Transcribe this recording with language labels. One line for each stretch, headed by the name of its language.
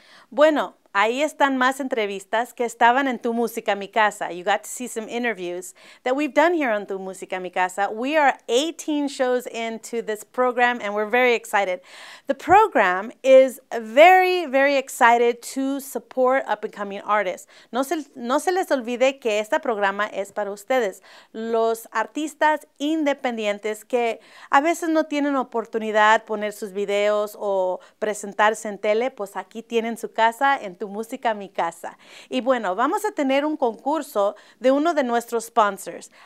Spanish: Bueno, ahí están más entrevistas que estaban en Tu Música, Mi Casa.
English: You got to see some interviews that we've done here on Tu Música, Mi Casa. We are 18 shows into this program, and we're very excited. The program is very, very excited to support up-and-coming artists.
Spanish: No se les olvide que este programa es para ustedes, los artistas independientes que a veces no tienen oportunidad de poner sus videos o presentarse en tele, pues aquí tienen su casa, en Tu Música, Mi Casa. Y bueno, vamos a tener un concurso de uno de nuestros sponsors.